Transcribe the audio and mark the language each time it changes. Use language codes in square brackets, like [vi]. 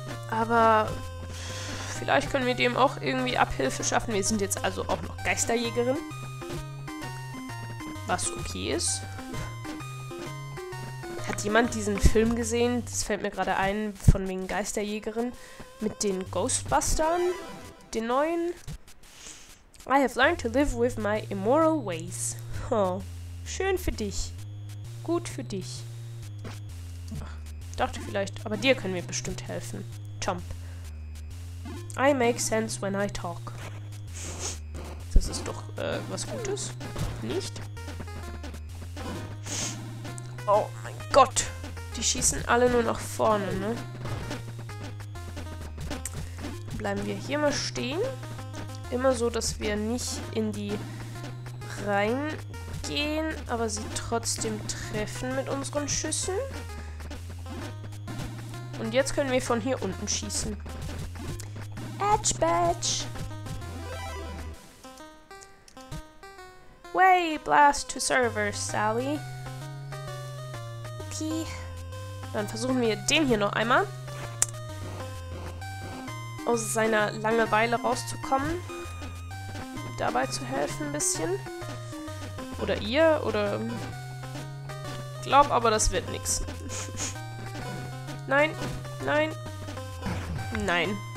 [de] Aber vielleicht können wir dem auch irgendwie Abhilfe schaffen. Wir sind jetzt also auch noch Geisterjägerin. Was okay ist. Hat jemand diesen Film gesehen? Das fällt mir gerade ein, von wegen Geisterjägerin. Mit den Ghostbustern? Den neuen? [en] I have learned to live with my immoral ways. [de] Oh, schön für dich. Gut für dich. Ach, dachte vielleicht, aber dir können wir bestimmt helfen. [en] Chomp. I make sense when I talk. [de] Das ist doch was Gutes. Nicht? Oh mein Gott. Die schießen alle nur nach vorne, ne? Bleiben wir hier mal stehen. Immer so, dass wir nicht in die reingehen, aber sie trotzdem treffen mit unseren Schüssen. Und jetzt können wir von hier unten schießen. Edge Badge! Way blast to server, Sally. Okay. Dann versuchen wir den hier noch einmal. Aus seiner Langeweile rauszukommen. Dabei zu helfen ein bisschen. Oder ihr, oder... Glaub aber, das wird nichts. Nein. Nein. Nein.